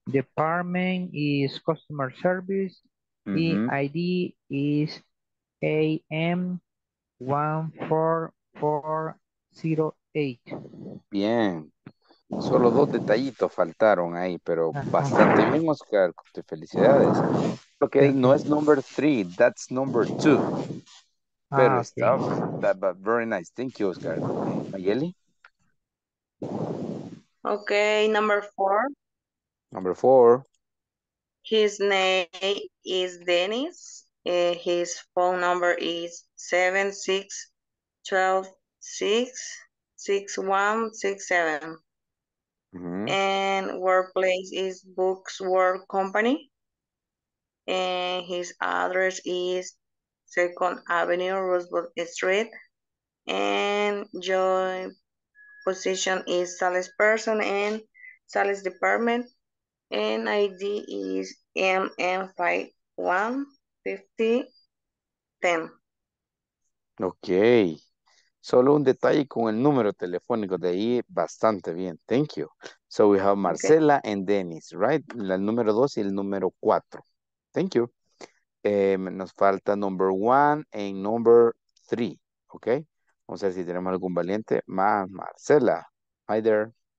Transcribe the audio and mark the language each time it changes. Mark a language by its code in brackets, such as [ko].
[en] Department is customer service. The, mm-hmm, ID is AM 14408. [es] Bien. Solo dos detallitos faltaron ahí, pero bastante bien, Oscar. Te felicidades. [en] Ok, [es] no es [en] number three, that's number two. [es] Pero está, [en] okay. But very nice. Thank you, Oscar. Mayeli. Ok, number four. Number four. His name is Dennis. His phone number is 7612 6 6 1 6 7. Mm-hmm. And workplace is Books World Company. And his address is 2nd Avenue, Roosevelt Street. And your position is salesperson and sales department. And ID is MN515010. Okay. [es] Solo un detalle con el número telefónico de ahí, bastante bien. [en] Thank you. So we have Marcela, okay, and Dennis, right? [es] El número 2 y el número 4. [en] Thank you. [es] Nos falta [en] number 1 and number 3, [es] okay? Vamos a ver si tenemos algún valiente. Marcela, [en] hi there.